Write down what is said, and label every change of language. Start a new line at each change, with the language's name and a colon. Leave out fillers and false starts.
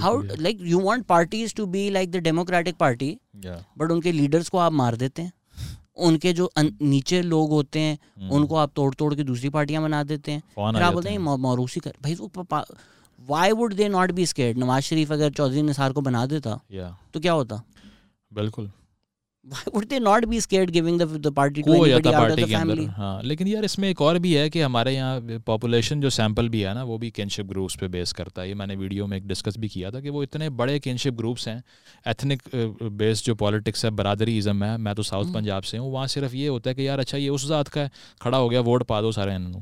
English: how like you want parties to be like the Democratic Party, but
Urdu: in کے leaders کو آپ مار دیتے ہیں, ان کے جو نیچے لوگ ہوتے ہیں ان کو آپ توڑ توڑ کے دوسری پارٹیاں بنا دیتے ہیں. آپ بولتے ہیں موروسی کر بھائی, وہ
English: Why would they not be scared.
Urdu: Nawaz Sharif اگر چودھری نثار کو بنا دیتا تو کیا ہوتا؟ بالکل.
English: Why would they not be scared giving the party to anybody out of the family?
Urdu: ہاں لیکن یار اس میں ایک اور بھی ہے کہ ہمارے یہاں پاپولیشن جو سیمپل بھی ہے نا وہ بھی کنشپ گروپس پہ بیس کرتا ہے. یہ میں نے ویڈیو میں ایک ڈسکس بھی کیا تھا کہ وہ اتنے بڑے کنشپ گروپس ہیں, ایتھنک بیس جو پالیٹکس ہے, برادری ازم ہے. میں تو ساؤتھ پنجاب سے ہوں, وہاں صرف یہ ہوتا ہے کہ یار اچھا یہ اس ذات کا ہے, کھڑا ہو گیا ووٹ پا دو سارے.